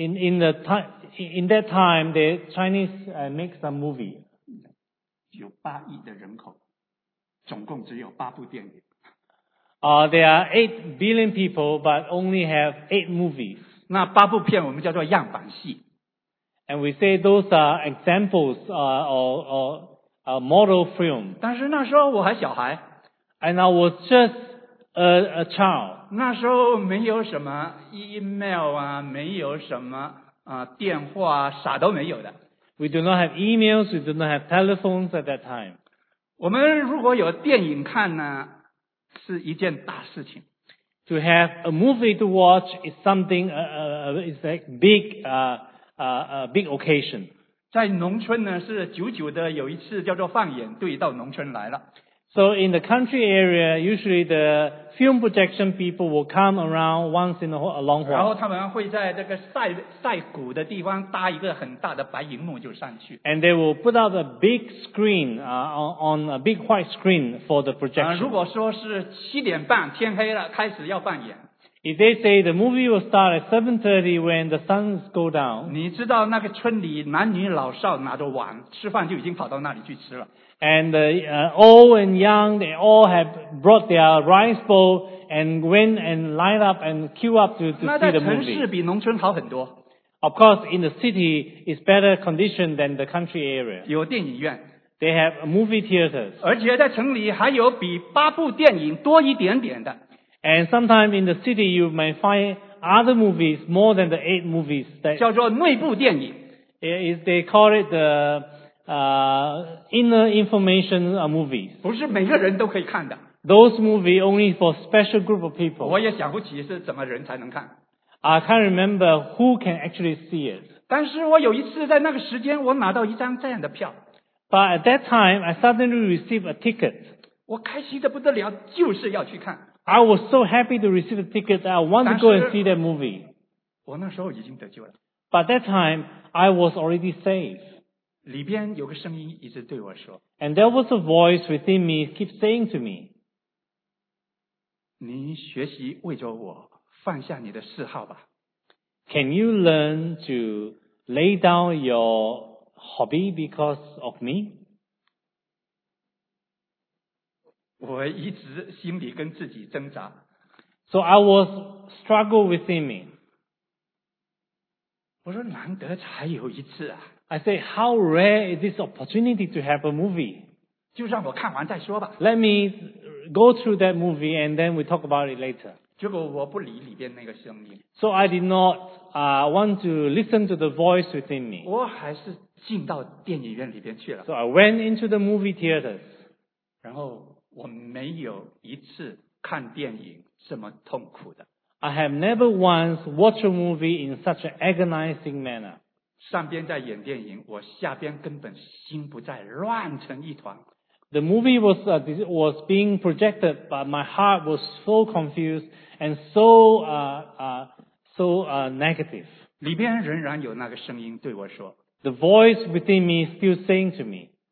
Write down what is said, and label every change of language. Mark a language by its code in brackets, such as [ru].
[en] In that time, the Chinese make some movie. [zh] 有八亿的人口，总共只有八部电影。 [en] There are 8 billion people, but only have 8 movies. [zh] 那八部片我们叫做样板戏。 [en] And we say those are examples, or model film. [zh] 但是那时候我还小孩。 [en] And I was just a child. [zh] 那时候没有什么 email 啊，没有什么电话啊，啥都没有的。 [en] We do not have emails, we do not have telephones at that time. [zh] 我们如果有电影看呢，是一件大事情。 [en] To have a movie to watch is something, is a big, big occasion. [zh] 在农村呢，是久久的有一次叫做放眼队到农村来了。 [en] So in the country area, usually the film projection people will come around once in a long while. [zh] 然后他们会在这个晒谷的地方搭一个很大的白荧幕就上去。 [en] And they will put out a big screen, on a big white screen for the projection. [zh] 如果说是7:30天黑了开始要放眼。 [en] If they say the movie will start at 7:30 when the sun go down, [zh] 你知道那个村里男女老少拿着碗吃饭就已经跑到那里去吃了。 [en] And the, old and young, they all have brought their rice bowl and went and lined up and queue up to see the movie. [zh] 那在城市比农村好很多。 [en] Of course, in the city, it's better condition than the country area. [zh] 有电影院。 [en] They have movie theaters. [zh] 而且在城里还有比八部电影多一点点的。 [en] And sometimes in the city, you may find other movies more than the 8 movies. That, [zh] 叫做内部电影。 [en] Is, they call it the, inner information movies. [zh] 不是每个人都可以看的。 [en] Those movies only for special group of people. [zh] 我也想不起是怎么人才能看。 [en] I can't remember who can actually see it. [zh] 但是我有一次在那个时间我拿到一张这样的票。 [en] But at that time, I suddenly received a ticket. [zh] 我开心得不得了，就是要去看。 [en] I was so happy to receive the ticket that I want to go and see that movie. [zh] 我那时候已经得救了。 [en] But that time, I was already saved. [zh] 里边有个声音一直对我说。 [en] And there was a voice within me keep saying to me, [zh] 你学习为着我放下你的嗜好吧。 [en] Can you learn to lay down your hobby because of me? [zh] 我一直心里跟自己挣扎。 [en] So I was struggle within me. [zh] 我说难得才有一次啊。 [en] I say, how rare is this opportunity to have a movie? [zh] 就让我看完再说吧。 [en] Let me go through that movie and then we talk about it later. [zh] 结果我不理里边那个声音。 [en] So I did not, want to listen to the voice within me. [zh] 我还是进到电影院里边去了。 [en] So I went into the movie theaters. [zh] 然后我没有一次看电影这么痛苦的。 [en] I have never once watched a movie in such an agonizing manner. [zh] 上边在演电影，我下边根本心不在，乱成一团。 [en] The movie was, was being projected, but my heart was so confused and so, negative. [zh] 里边仍然有那个声音对我说。 [en] The voice within me still saying to me,